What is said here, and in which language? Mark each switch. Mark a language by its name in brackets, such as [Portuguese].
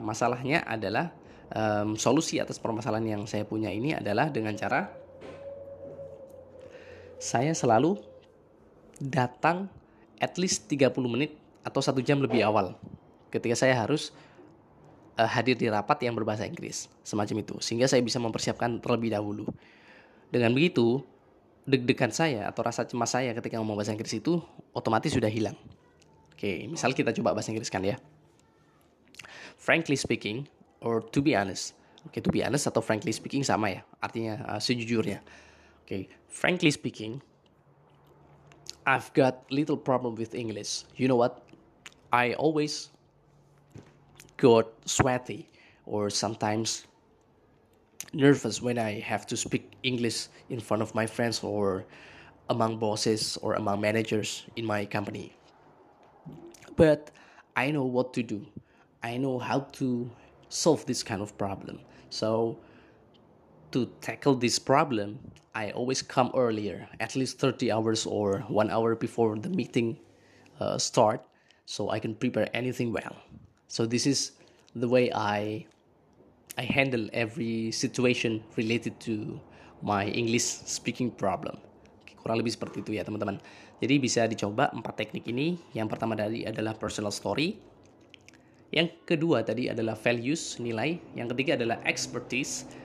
[Indonesian] Masalahnya adalah, solusi atas permasalahan yang saya punya ini adalah dengan cara saya selalu datang [English] at least [Indonesian] 30 menit atau 1 jam lebih awal ketika saya harus hadir di rapat yang berbahasa Inggris, semacam itu, sehingga saya bisa mempersiapkan terlebih dahulu. Dengan begitu, deg-degan saya atau rasa cemas saya ketika ngomong bahasa Inggris itu otomatis sudah hilang. Oke, misal kita coba bahasa Inggris kan ya. [English] Frankly speaking, or to be honest. Oke, to be honest atau frankly speaking [Indonesian] sama ya, artinya sejujurnya. [English] Oke, frankly speaking, I've got little problem with English. You know what? I always got sweaty or sometimes nervous when I have to speak English in front of my friends or among bosses or among managers in my company. But I know what to do. I know how to solve this kind of problem. So to tackle this problem, I always come earlier, at least 30 hours or 1 hour before the meeting start, so I can prepare anything well. So this is the way I handle every situation related to my English speaking problem. [Indonesian] Kurang lebih seperti itu ya teman-teman. Jadi bisa dicoba 4 teknik ini. Yang pertama tadi adalah personal story. Yang kedua tadi adalah values, nilai. Yang ketiga adalah expertise.